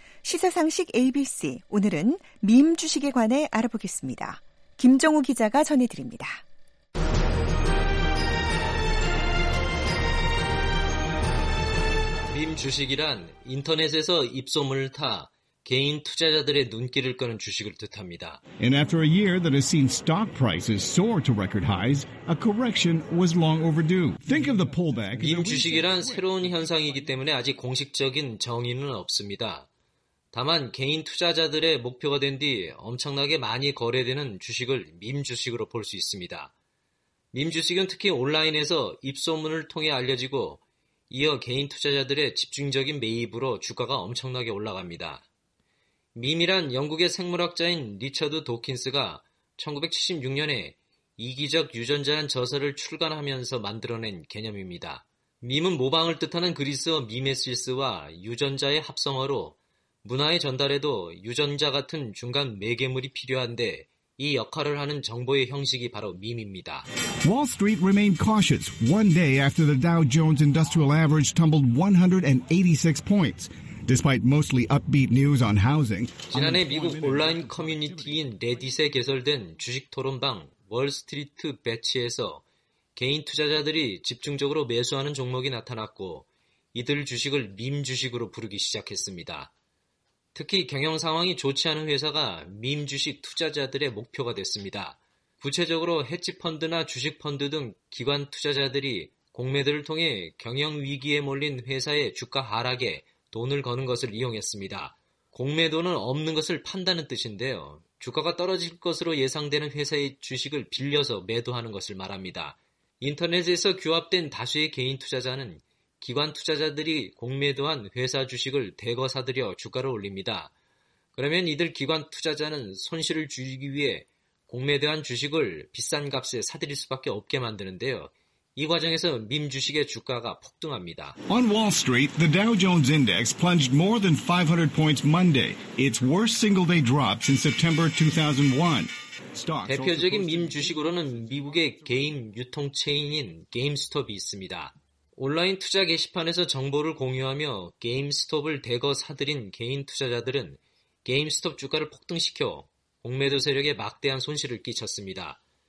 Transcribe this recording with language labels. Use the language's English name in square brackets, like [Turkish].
[Korean] 시사상식 ABC, 오늘은 밈 주식에 관해 알아보겠습니다. 김정우 기자가 전해드립니다. 밈 주식이란 인터넷에서 입소문을 타 개인 투자자들의 눈길을 끄는 주식을 뜻합니다. [English] And after a year that has seen stock prices soar to record highs, a correction was long overdue. Think of the pullback. [Korean] 밈 주식이란 새로운 현상이기 때문에 아직 공식적인 정의는 없습니다. 다만 개인 투자자들의 목표가 된 뒤 엄청나게 많이 거래되는 주식을 밈 주식으로 볼 수 있습니다. 밈 주식은 특히 온라인에서 입소문을 통해 알려지고 이어 개인 투자자들의 집중적인 매입으로 주가가 엄청나게 올라갑니다. 밈이란 영국의 생물학자인 리처드 도킨스가 1976년에 이기적 유전자란 저서를 출간하면서 만들어낸 개념입니다. 밈은 모방을 뜻하는 그리스어 미메시스와 유전자의 합성어로 문화의 전달에도 유전자 같은 중간 매개물이 필요한데 이 역할을 하는 정보의 형식이 바로 밈입니다. [English] Wall Street remained cautious one day after the Dow Jones Industrial Average tumbled 186 points. Despite mostly upbeat news on housing, [Korean] 지난해 미국 온라인 커뮤니티인 레딧에 개설된 주식 토론방 월스트리트 배치에서 개인 투자자들이 집중적으로 매수하는 종목이 나타났고 이들 주식을 밈 주식으로 부르기 시작했습니다. 특히 경영 상황이 좋지 않은 회사가 밈 주식 투자자들의 목표가 됐습니다. 구체적으로 헤지펀드나 주식펀드 등 기관 투자자들이 공매들을 통해 경영 위기에 몰린 회사의 주가 하락에 돈을 거는 것을 이용했습니다. 공매도는 없는 것을 판다는 뜻인데요. 주가가 떨어질 것으로 예상되는 회사의 주식을 빌려서 매도하는 것을 말합니다. 인터넷에서 규합된 다수의 개인 투자자는 기관 투자자들이 공매도한 회사 주식을 대거 사들여 주가를 올립니다. 그러면 이들 기관 투자자는 손실을 줄이기 위해 공매도한 주식을 비싼 값에 사들일 수밖에 없게 만드는데요. 이 과정에서 밈 주식의 주가가 폭등합니다. [English] On Wall Street, the Dow Jones Index plunged more than 500 points Monday, its worst single-day drop since September 2001. [Korean] 대표적인 밈 주식으로는 미국의 게임 유통 체인인 게임스톱이 있습니다. 온라인 투자 게시판에서 정보를 공유하며 게임스톱을 대거 사들인 개인 투자자들은 게임스톱 주가를 폭등시켜 공매도 세력에 막대한 손실을 끼쳤습니다.